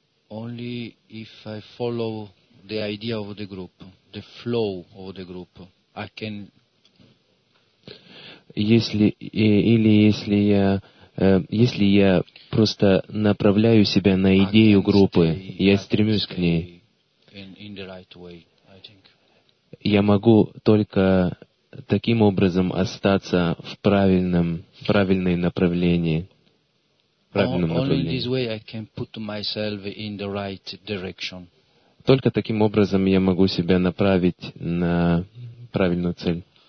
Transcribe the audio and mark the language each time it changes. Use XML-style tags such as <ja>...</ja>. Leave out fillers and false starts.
<en>Only if I follow the idea of the group, the flow of the group, I can.</en> <ru>Если я просто направляю себя на идею группы, я стремлюсь к ней.</ru> <en>In the right way, I think.</en> <ru>Я могу только таким образом остаться в правильном направлении.</ru> <en>Only in this way I can put myself in the right direction.</en> <ru>Только таким образом я могу себя направить на правильную цель.</ru>